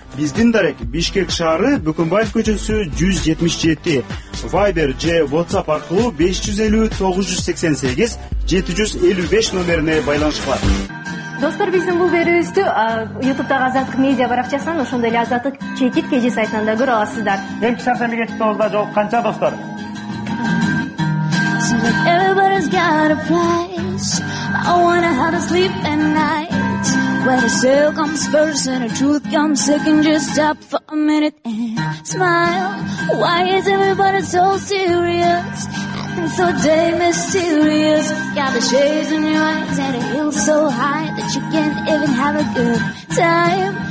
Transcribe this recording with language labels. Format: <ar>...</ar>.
<ky>Биздин дарек Бишкек шаары, Бөкөнбаев көчөсү 177, Viber же WhatsApp аркылуу 550-988-755 номерине байланышыңар. Достор, биздин бул берүүбүздү YouTube-дагы Азаттык медиа баракчасынан, ошондой эле Азаттык чекит KG сайтынан да көрө аласыздар. Эмки шаршамбы кечки тоозда жолукканча, достор.</ky> <en>Everybody's got a price. I wanna have a sleep at night. Where the sale comes first and the truth comes second. Just stop for a minute and smile. Why is everybody so serious? Acting so damn mysterious. Got the shades in your eyes and a hill so high that you can't even have a good time.</en>